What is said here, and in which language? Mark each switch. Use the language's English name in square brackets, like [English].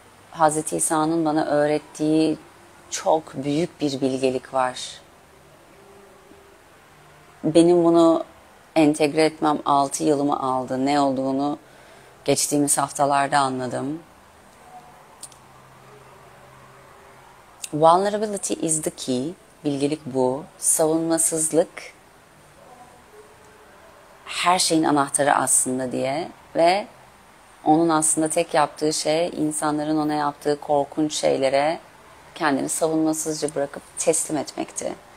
[Turkish] Hazreti İsa'nın bana öğrettiği çok büyük bir bilgelik var. benim bunu entegre etmem 6 yılımı aldı. Ne olduğunu geçtiğimiz haftalarda anladım. [English] Vulnerability is the key. [Turkish] Bilgelik bu. Savunmasızlık her şeyin anahtarı aslında diye ve onun aslında tek yaptığı şey insanların ona yaptığı korkunç şeylere kendini savunmasızca bırakıp teslim etmekti.